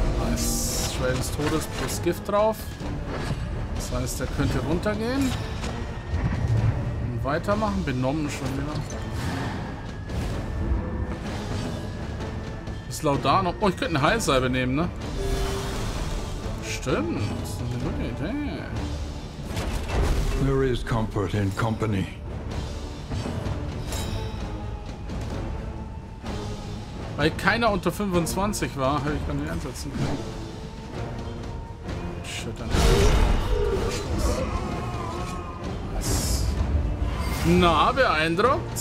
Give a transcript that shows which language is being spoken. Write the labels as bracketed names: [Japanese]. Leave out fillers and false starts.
[German] Nice. Schwell des Todes plus Gift drauf. Das heißt, der könnte runtergehen. Weitermachen, benommen schon wieder. Ist Laudano. Oh, ich könnte eine Heilsalbe nehmen, ne? Stimmt. Das ist eine gute Idee. [English] There is comfort in company. [German] Weil keiner unter 25 war, habe ich gar nicht einsetzen können. erschüttern. Was? Na, beeindruckt?